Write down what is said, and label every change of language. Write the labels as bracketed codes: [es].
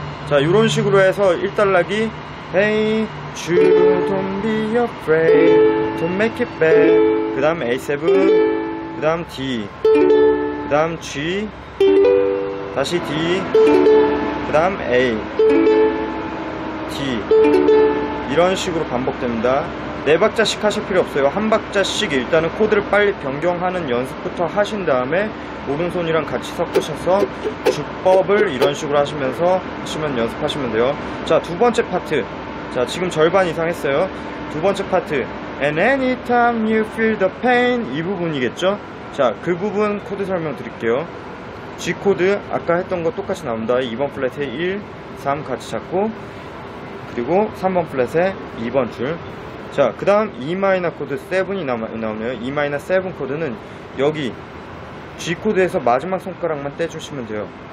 [ko] 자, 요런 식으로 해서 1단락이 [en] Hey, Jude, don't be afraid, don't make it bad. [ko] 그 다음 A7, 그 다음 D, 그 다음 G, 다시 D, 그 다음 A, D. 이런 식으로 반복됩니다. 네 박자씩 하실 필요 없어요. 한 박자씩 일단은 코드를 빨리 변경하는 연습부터 하신 다음에 오른손이랑 같이 섞으셔서 주법을 이런 식으로 하시면서 하시면 연습하시면 돼요. 자, 두 번째 파트. 자, 지금 절반 이상 했어요. 두 번째 파트 [en] And anytime you feel the pain [ko] 이 부분이겠죠? 자, 그 부분 코드 설명 드릴게요. G 코드 아까 했던 거 똑같이 나옵니다. 2번 플랫에 1, 3 같이 잡고 그리고 3번 플랫에 2번 줄. 자, 그 다음 E마이너 코드 7이 나오네요. E마이너 7 코드는 여기 G 코드에서 마지막 손가락만 떼주시면 돼요.